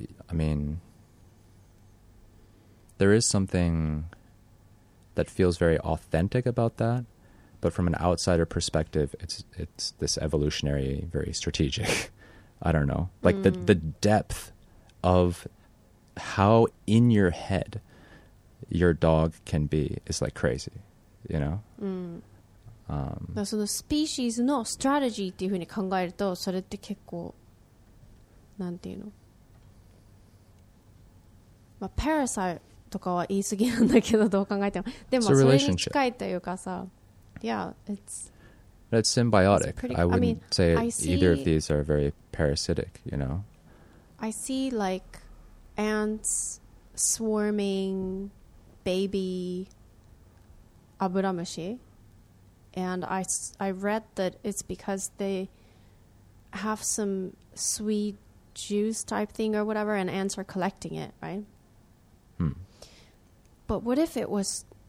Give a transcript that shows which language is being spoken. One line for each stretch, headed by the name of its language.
English: I mean, there is something that feels very authentic about that, But from an outsider perspective, it's this evolutionary, very strategic. I don't know. Like the depth of how in your head your dog can be is like crazy, you know? Mm.
Japanese: だからそのスピーシーズのストラテジーっていうふうに考えるとそれって結構なんていうの、まあ、パラサイとかは言い過ぎなんだけどどう考えてもでもそれに近いというかさ Yeah,
English: it's symbiotic. I wouldn't say either of these are very parasitic, you know? I see like ants swarming baby aburamushi. And I read that it's because they have some sweet juice type thing or whatever and ants are collecting it, right? Hmm. But what if it was...